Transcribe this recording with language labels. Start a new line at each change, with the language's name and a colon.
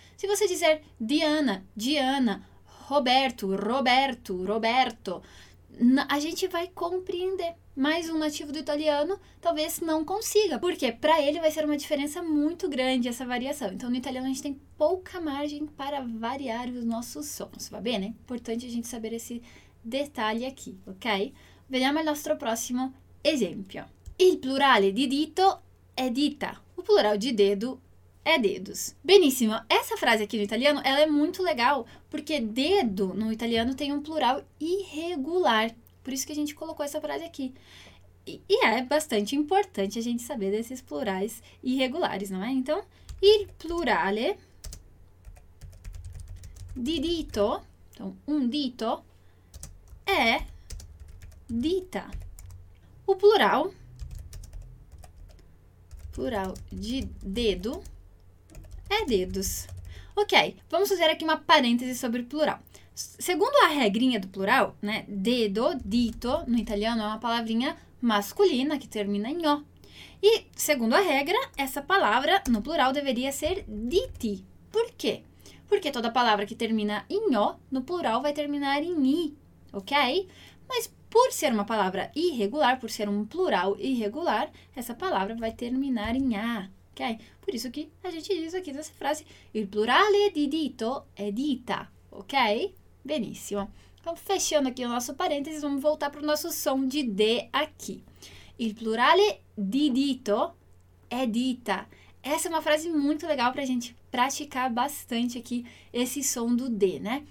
Portuguese: Se você dizer Diana, Roberto, a gente vai compreender. Mas um nativo do italiano talvez não consiga, porque para ele vai ser uma diferença muito grande essa variação. Então, no italiano, a gente tem pouca margem para variar os nossos sons,
Italian: va bene?
Portuguese: Importante a gente saber esse detalhe aqui, ok?
Italian: Vediamo il nostro prossimo esempio. Il plurale di dito è dita.
Portuguese: O plural de dedo é dedos. Benissimo, essa frase aqui no italiano, ela é muito legal, porque dedo no italiano tem um plural irregular. Por isso que a gente colocou essa frase aqui. E é bastante importante a gente saber desses plurais irregulares, não é? Então,
Italian: il plurale di dito,
Portuguese: então
Italian: un dito, è dita.
Portuguese: O plural de dedo é dedos. Ok, vamos fazer aqui uma parêntese sobre plural. Segundo a regrinha do plural, né, dedo, dito, no italiano é uma palavrinha masculina que termina em O. E, segundo a regra, essa palavra no plural deveria ser diti. Por quê? Porque toda palavra que termina em O, no plural, vai terminar em I, ok? Mas, por ser uma palavra irregular, por ser um plural irregular, essa palavra vai terminar em A, ok? Por isso que a gente diz aqui nessa frase:
Italian: il plurale di dito è dita,
Portuguese: ok? Benissimo. Então, fechando aqui o nosso parênteses, vamos voltar para o nosso som de D aqui.
Italian: Il plurale di dito è dita.
Portuguese: Essa é uma frase muito legal para a gente praticar bastante aqui esse som do D, né?